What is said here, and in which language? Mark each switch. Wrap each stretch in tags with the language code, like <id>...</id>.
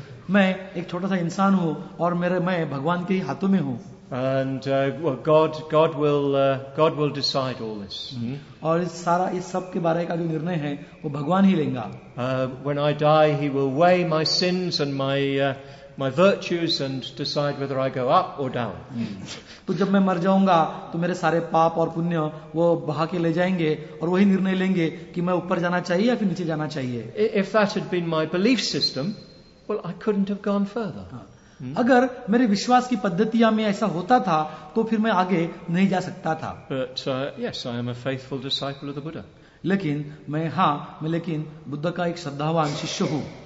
<hi>मैं एक छोटा सा इंसान हूँ और मैं भगवान के हाथों में हूँ.</hi> <en>And God will decide all this.</en> <hi>और इस सब के बारे का जो निर्णय है वो भगवान ही लेंगा.</hi> <en>When I die, He will weigh my sins and my my virtues and decide whether I go up or down.</en> <hi>तो जब मैं मर जाऊंगा तो मेरे सारे पाप और पुण्य वो बहा के ले जाएंगे और वही निर्णय लेंगे कि मैं ऊपर जाना चाहिए या फिर नीचे जाना चाहिए.</hi> <en>If that had been my belief system, well, I couldn't have gone further.</en> <hi>अगर मेरे विश्वास की पद्धतियां में ऐसा होता था तो फिर मैं आगे नहीं जा सकता था.</hi> <en>But yes, I am a faithful disciple of the Buddha.</en> <hi>लेकिन मैं हाँ मैं लेकिन बुद्ध का एक श्रद्धावान शिष्य हूँ.</hi>